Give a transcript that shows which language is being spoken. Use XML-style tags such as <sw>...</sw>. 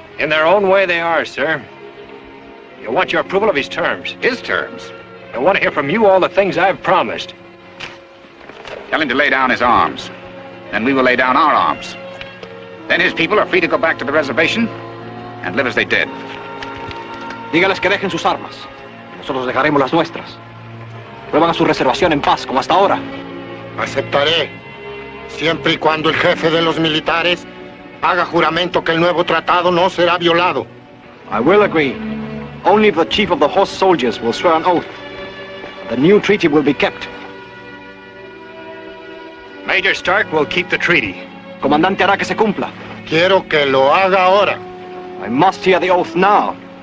<en>In their own way, they are, sir. You'll want your approval of his terms. His terms? He'll want to hear from you all the things I've promised. Tell him to lay down his arms. Then we will lay down our arms. Then his people are free to go back to the reservation and live as they did.</en> <es>Dígales que dejen sus armas. Nosotros dejaremos las nuestras. Vuelvan a su reservación en paz, como hasta ahora. Aceptaré. Siempre y cuando el jefe de los militares haga juramento que el nuevo tratado no será violado.</es> <en>I will agree. Only the chief of the horse soldiers will swear an oath. The new treaty will be kept. Major Stark will keep the treaty.</en> <es>Comandante hará que se cumpla. Quiero que lo haga ahora.</es> <en>I must hear the oath now.</en>